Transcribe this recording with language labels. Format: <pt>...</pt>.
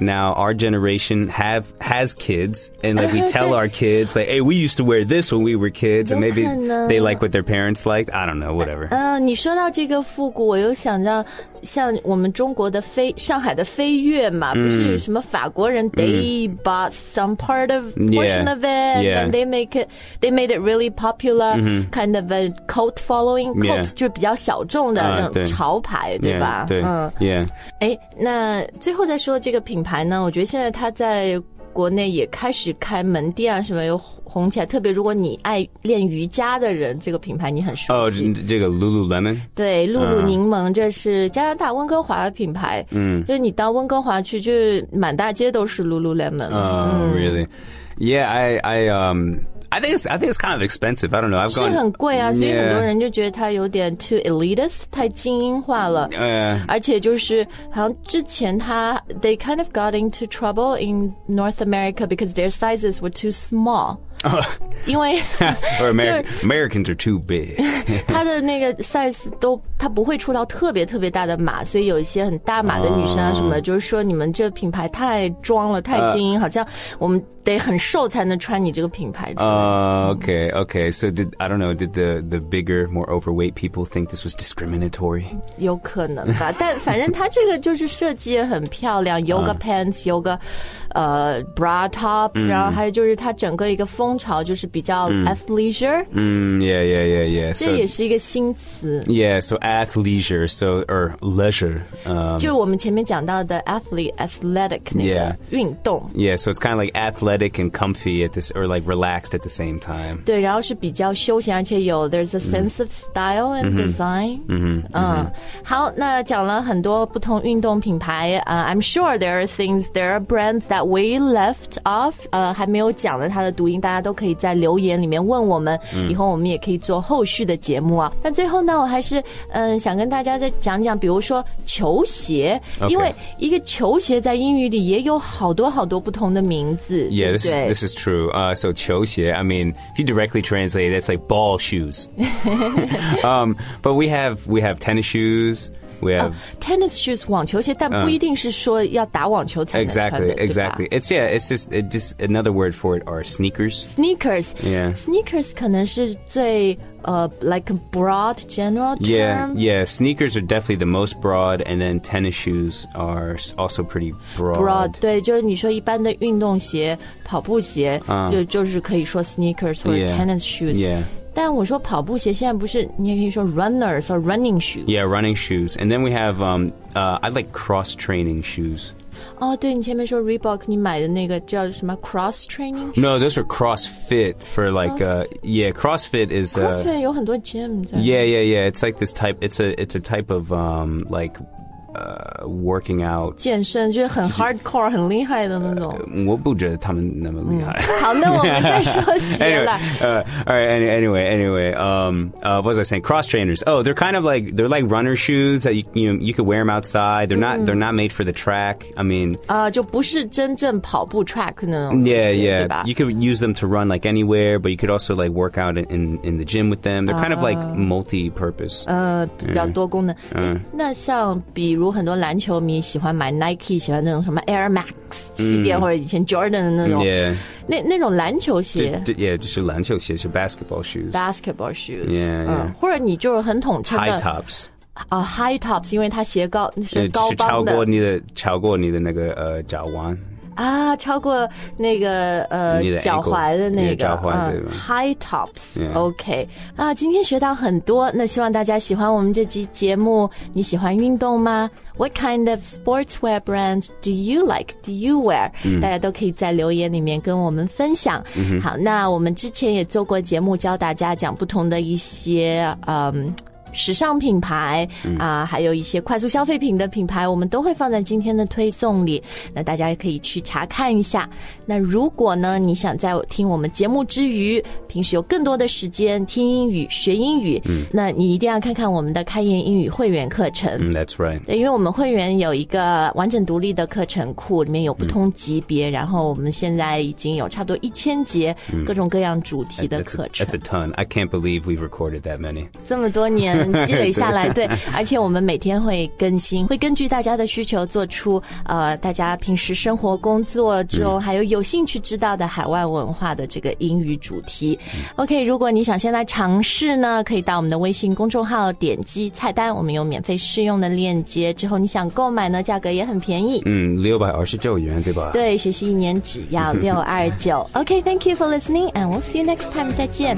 <en>Now our generation has kids, and like we tell our kids, like, hey, we used to wear this when we were kids, and maybe they like what their parents liked. I don't know. Whatever.</en> <zh>你说到这个复古，我又想到。像我们中国的飞上海的飞跃嘛、不是什么法国人、</zh> <en>they bought some part of portion of it、 yeah. and they made it really popular、 mm-hmm. kind of a cult following、 yeah.</en> <zh>cult 就比较小众的那种潮牌对吧</zh> <en>yeah,</en> <zh>对、</zh> <en>yeah.</en> <zh>诶那最后再说这个品牌呢我觉得现在它在国内也开始开门店啊什么有红起来，特别如果你爱练瑜伽的人，这个品牌你很熟悉。哦，这个 Lululemon，对，露露柠檬，这是加拿大温哥华的品牌。就是你到温哥华去，就是满大街都是 Lululemon。</zh> <en>Really? Yeah, I think it's kind of expensive. I don't know. I've gone.</en> <zh>是很贵啊，所以很多人就觉得它有点</zh> <en>too elitist,</en> <zh>太精英化了。而且就是好像之前它</zh> <en>they kind of got into trouble in North America because their sizes were too small.</en> <zh>因为</zh> <en>or Americans are too big.</en> <zh>它的那个 size 都它不会出到特别特别大的码，所以有一些很大码的女生啊什么，就是说你们这品牌太装了，太精英，好像我们得很瘦才能穿你这个品牌。</zh> <en>Okay. So did I don't know? Did the bigger, more overweight people think this was discriminatory?</en> <zh>有可能吧，但反正它这个就是设计也很漂亮 ，</zh> <en>yoga pants, yoga, bra tops,</en> <zh>然后还有就是它整个一个风潮就是比较athleisure.</zh> <en>Yeah.</en> <zh>这也是一个新词。</zh> <en>Yeah. So athleisure. So or leisure.</en> <zh>就我们前面讲到的 athletic 那个 运动。</zh> <en>Yeah. So it's kind of like athletic and comfy at this, or like relaxed. At the same time.</en> <zh>对，然后是比较休闲，而且有</zh> <en>there's a sense of style and design.</en> <zh>好，那讲了很多不同运动品牌。</zh> <en>I'm sure there are brands that we left off.</en> <zh>还没有讲了它的读音，大家都可以在留言里面问我们。以后我们也可以做后续的节目啊。那最后呢，我还是想跟大家再讲讲，比如说球鞋，</zh> <en>okay.</en> <zh>因为一个球鞋在英语里也有好多好多不同的名字。</zh> <en>Yes, this is true. So</en> <zh>球鞋。</zh> <en>Yeah, I mean, if you directly translate it, it's like ball shoes. but we have tennis shoes. We have tennis shoes,</en> <zh>网球鞋，但不一定是说要打网球才能穿的。</zh> <en>Exactly. It's just another word for it are sneakers. Sneakers. Yeah. Sneakers</en> <zh>可能是最</zh> <en>like a broad general term. Yeah. Sneakers are definitely the most broad, and then tennis shoes are also pretty broad. Broad,</en> <zh>对，就是你说一般的运动鞋、跑步鞋，就是可以说</zh> <en>sneakers or tennis shoes. Yeah.</en> <zh>但我说跑步鞋现在不是，你也可以说</zh> <en>runners or running shoes. Yeah, running shoes. And then we have I like cross training shoes.</en> <zh>对，你前面说 Reebok 你买的那个叫什么</zh> <en>cross training shoes? No, those are CrossFit for like CrossFit is</en> <zh>CrossFit 有很多 gym 在</zh> <en>Yeah, it's like this type it's a type of like working out</en> <zh>健身就是很 hardcore、就是、很厉害的那种、我不觉得他们那么厉害、好那我们再说鞋</zh> <en>了 anyway what was I saying cross trainers oh they're kind of like they're like runner shoes that you could wear them outside they're not、mm. they're not made for the track I mean、</en> <zh>就不是真正跑步 track 那种</zh> <en>yeah yeah you could use them to run like anywhere but you could also like work out in the gym with them they're kind of like multi-purpose</en> <zh>比较多功能、那像比如很多篮球迷喜欢买 Nike 喜欢那种什么 Air Max 气垫、或者以前 Jordan 的那种、</zh> <en>yeah.</en> <zh>那种篮球鞋 yeah 就是篮球鞋是</zh> <en>basketball shoes basketball shoes yeah, yeah.</en> <zh>或者你就是很统称的</zh> <en>high tops</en> <zh>high tops 因为它鞋高是高帮的、就是超过你的那个脚腕超过那个脚踝的那个脚踝、</zh> <en>High tops、yeah.</en> <zh>OK 今天学到很多那希望大家喜欢我们这期节目你喜欢运动吗</zh> <en>What kind of sportswear brand do you like? Do you wear?、</en> <zh>大家都可以在留言里面跟我们分享、好那我们之前也做过节目教大家讲不同的一些时尚品牌还有一些快速消费品的品牌我们都会放在今天的推送里那大家也可以去查看一下那如果呢你想在听我们节目之余平时有更多的时间听英语学英语那你一定要看看我们的开言英语会员课程、</zh> <en>That's right</en> <zh>对因为我们会员有一个完整独立的课程库里面有不同级别、然后我们现在已经有差不多1000节各种各样主题的课程</zh> <en>That's a ton I can't believe we've recorded that many</en> <zh>这么多年积累下来对而且我们每天会更新会根据大家的需求做出大家平时生活工作中还有兴趣知道的海外文化的这个英语主题 OK 如果你想先来尝试呢可以到我们的微信公众号点击菜单我们有免费试用的链接之后你想购买呢价格也很便宜 629元对吧对学习一年只要629</zh> <en>OK thank you for listening and we'll see you next time</en> <zh>再见</zh>